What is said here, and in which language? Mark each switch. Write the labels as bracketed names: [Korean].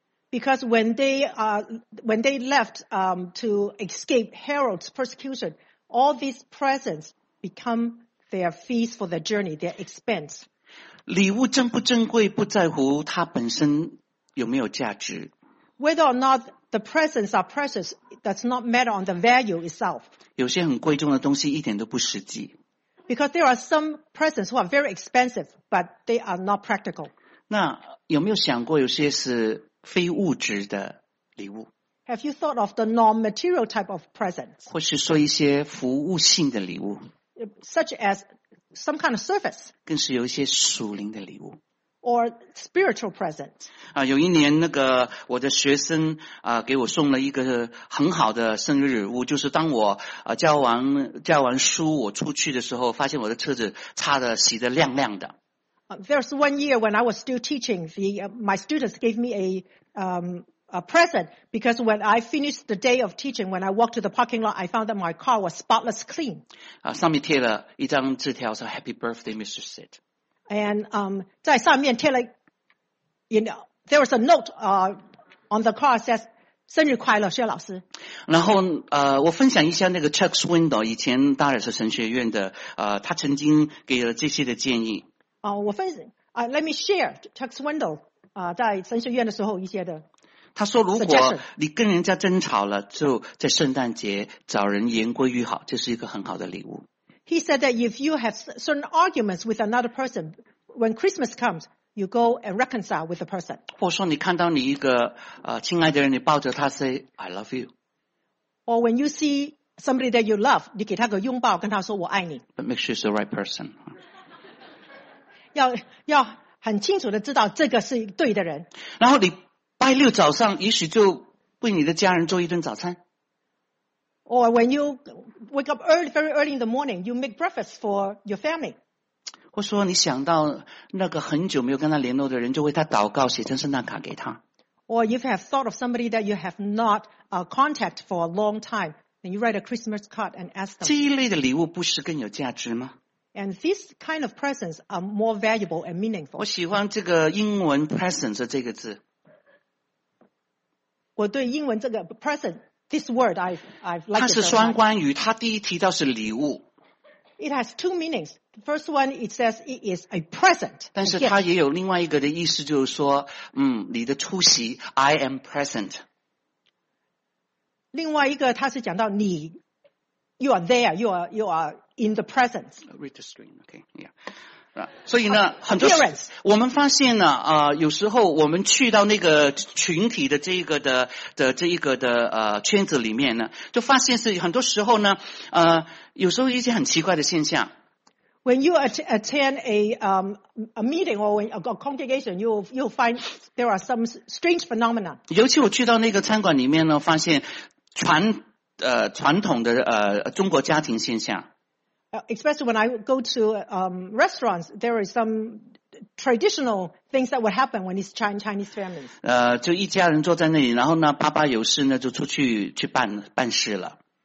[English] Because when they left to escape Herod's persecution, all these presents become their fees for their journey, their expense. [Chinese] 礼物珍不珍贵不在乎它本身有没有价值。 [English] Whether or not the presents are precious does not matter on the value itself. [Chinese] 有些很贵重的东西一点都不实际。 [English] Because there are some presents who are very expensive, but they are not practical. [Chinese] 那有没有想过有些是非物质的礼物 [English] ？Have you thought of the non-material type of presents? [Chinese] 或是说一些服务性的礼物 [English] ？Such as some kind of service. [Chinese] 更是有一些属灵的礼物 [English] ？Or spiritual presents. [Chinese] 有一年那个我的学生给我送了一个很好的生日礼物，就是当我交完书我出去的时候，发现我的车子擦的洗得亮亮的。 [English] There's one year when I was still teaching, my students gave me a present because when I finished the day of teaching, when I walked to the parking lot, I found that my car was spotless clean. [Chinese] 上面贴了一张字条说 [English] "Happy Birthday, Mr. Sid." [Chinese] And 在上面贴了。 [English] You know, there was a note on the car says, [Chinese] 生日快乐薛老师。然后我分享一下那个 Chuck Swindoll, 以前大尔斯神学院的他曾经给了这些的建议。 [English] Let me share Chuck Swindoll, [Chinese] 在神学院的时候一些的。他说如果你跟人家争吵了就在圣诞节找人言归于好，这是一个很好的礼物。 [English] He said that if you have certain arguments with another person, when Christmas comes,You go and reconcile with the person. [Chinese] 或说你看到你一个亲爱的人，你抱着他 [English] say I love you. Or when you see somebody that you love, [Chinese] 你给他个拥抱，跟他说我爱你。 [English] But make sure it's the right person. [Chinese] 要很清楚的知道这个是对的人。然后你拜六早上，也许就为你的家人做一顿早餐。 [English] Or when you wake up early, very early in the morning, you make breakfast for your family. [Chinese] 或说你想到那个很久没有跟他联络的人，就为他祷告，写成圣诞卡给他。 [English] or if you have thought of somebody that you have not contacted for a long time, then you write a Christmas card and ask them. [Chinese] 这一类的礼物不是更有价值吗？ [English] And these kind of presents are more valuable and meaningful. [Chinese] 我喜欢这个英文 presents 这个字。我对英文这个 [English] present this word I like. [Chinese] 它是双关语，它第一提到是礼物。 [English] It has two meanings. The first one it says it is a present. [Chinese] 但是它也有另外一个的意思，就是说，你的出席 ， [English] I am present. [Chinese] 另外一个，它是讲到你 ， [English] you are there, you are. In the presence. Read the screen, okay, yeah. [Chinese] 所以呢，很多我们发现呢，有时候我们去到那个群体的这一个的这一个的圈子里面呢，就发现是很多时候呢，有时候一些很奇怪的现象。 [English] When you attend a meeting or a congregation, you'll find there are some strange phenomena. [Chinese] 尤其我去到那个餐馆里面呢，发现传统的中国家庭现象。 [English] Especially when I go to restaurants, there are some traditional things that would happen when it's Chinese families. [Chinese] 就一家人坐在那里，然后呢，爸爸有事呢，就出去办事了。